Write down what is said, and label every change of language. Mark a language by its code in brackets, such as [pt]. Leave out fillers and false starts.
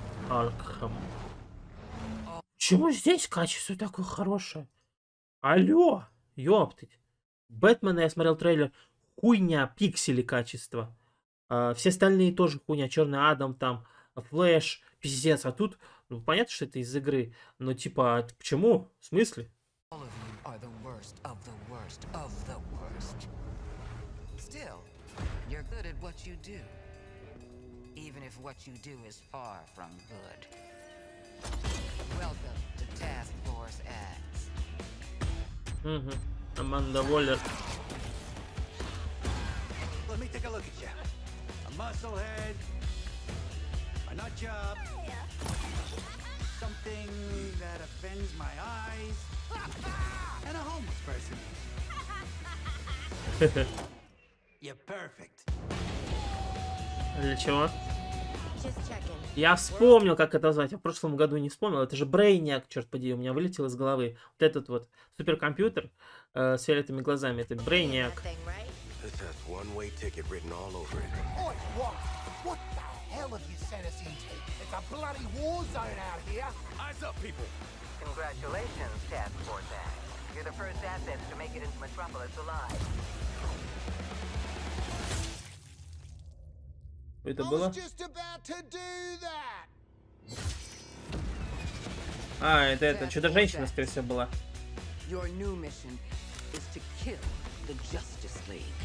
[ru] Аркхэм. Почему здесь качество такое хорошее? Алло, ёптыть. Бэтмена я смотрел трейлер, хуйня, пиксели качество. Все остальные тоже хуйня, Черный Адам там, Флэш, пиздец. А тут, ну понятно, что это из игры, но типа, почему? В смысле? [en] All of you are the worst of the worst of the worst. Still, you're good at what you do. Even if what you do is far from good. Welcome to Task Force X. Amanda Waller. Let me take a look at you. A muscle head. A nut job. Something that offends my eyes. And a homeless person. You're perfect. [ru] Для чего? Я вспомнил, как это звать. Я в прошлом году не вспомнил. Это же Brainiac, черт подери, у меня вылетел из головы. Вот этот вот суперкомпьютер с фиолетовыми глазами. Это Brainiac. [en] This has one way ticket written all over it. Oi, what? What the hell have you sent us into? It's a bloody war zone out here. Eyes up, people. Congratulations, Task Force X. You're the first assets to make it into Metropolis alive. [ru] Это было? А, это чудо-женщина, скорее всего, была. [en] Your new mission is to kill the Justice League.